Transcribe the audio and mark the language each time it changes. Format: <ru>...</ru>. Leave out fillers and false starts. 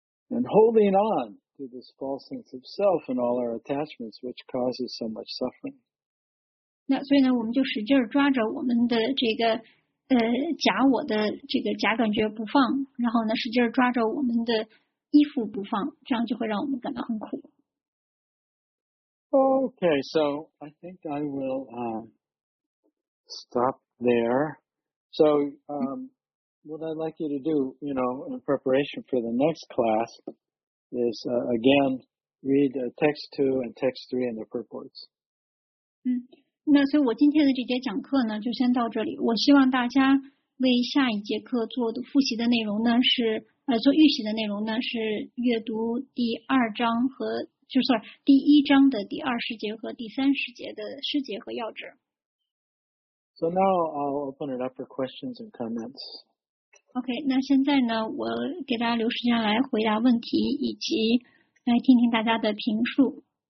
<en>And holding on to this false sense of self and all our attachments, which causes so much suffering.</en> <zh>那所以呢，我们就使劲抓着我们的这个假我的这个假感觉不放，然后呢，使劲抓着我们的依附不放，这样就会让我们感到很苦。</zh> <en>Okay, so I think I will stop there. So, what I'd like you to do, you know, in preparation for the next class is, again, read text 2 and text 3 and the purports.</en> <zh>那所以我今天的这节讲课呢，就先到这里。我希望大家为下一节课做的复习的内容呢，是做预习的内容呢，是阅读第二章和，就是第一章的第二十节和第三十节的诗节和要旨。</zh> <en>So now I'll open it up for questions and comments.</en> <zh>Okay, 那现在呢，我给大家留时间来回答问题，以及来听听大家的评述。</zh>